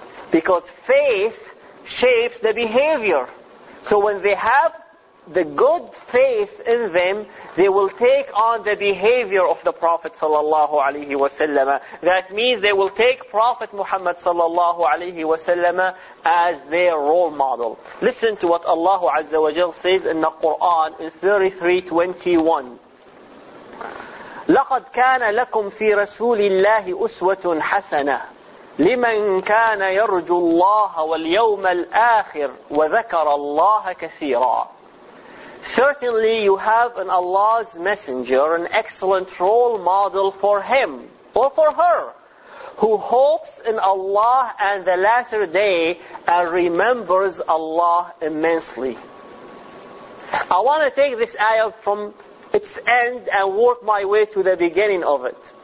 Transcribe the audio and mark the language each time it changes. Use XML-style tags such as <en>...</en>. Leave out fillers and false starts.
<en>Because faith shapes the behavior. So when they have the good faith in them, they will take on the behavior of the Prophet sallallahu alaihi wasallam. That means they will take Prophet Muhammad sallallahu alaihi wasallam as their role model. Listen to what Allah Azza wa Jalla says in the Quran in 33:21.</en> <ar>لقد كان لكم في رسول الله أسوة حسنة لمن كان يرجو الله واليوم الآخر وذكر الله كثيرا.</ar> <en>Certainly you have in Allah's Messenger an excellent role model for him or for her who hopes in Allah and the latter day and remembers Allah immensely. I want to take this ayah from its end and work my way to the beginning of it.</en>